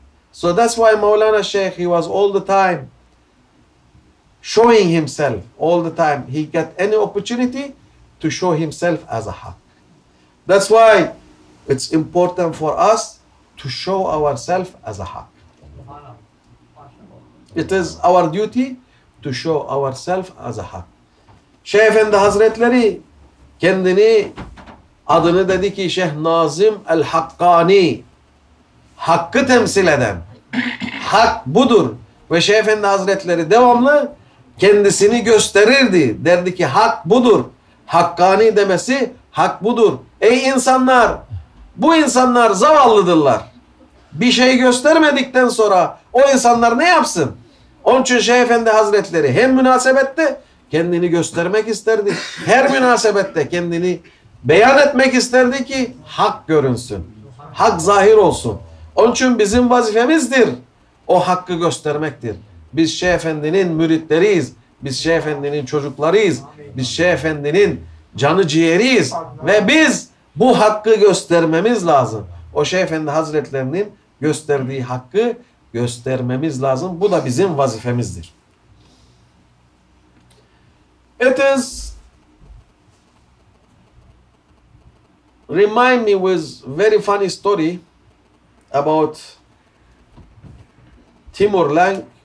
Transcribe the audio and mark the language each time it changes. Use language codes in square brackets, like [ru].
[en] So that's why Mawlana Sheikh, he was all the time showing himself, all the time. He got any opportunity to show himself as a Hak. That's why it's important for us to show ourselves as a Hak. It is our duty to show ourselves as a Hak. [tr] Şeyh Efendi Hazretleri kendini, adını dedi ki, Şeyh Nazım el-Hakkani, Hakkı temsil eden, Hak budur. Ve Şeyh Efendi Hazretleri devamlı kendisini gösterirdi. Derdi ki, Hak budur. Hakkani demesi, Hak budur. Ey insanlar, bu insanlar zavallıdırlar. Bir şey göstermedikten sonra o insanlar ne yapsın? Onun için Şeyh Efendi Hazretleri hem münasebette kendini göstermek isterdi. Her münasebette kendini beyan etmek isterdi ki Hak görünsün. Hak zahir olsun. Onun için bizim vazifemizdir o Hakkı göstermektir. Biz Şeyh Efendi'nin müritleriyiz. Biz Şeyh Efendi'nin çocuklarıyız. Biz Şeyh Efendi'nin canı ciğeriyiz. Ve biz bu Hakkı göstermemiz lazım. O Şeyh Efendi Hazretlerinin gösterdiği Hakkı göstermemiz lazım. Bu da bizim vazifemizdir. [en] It is remind me with very funny story about Timurlenk.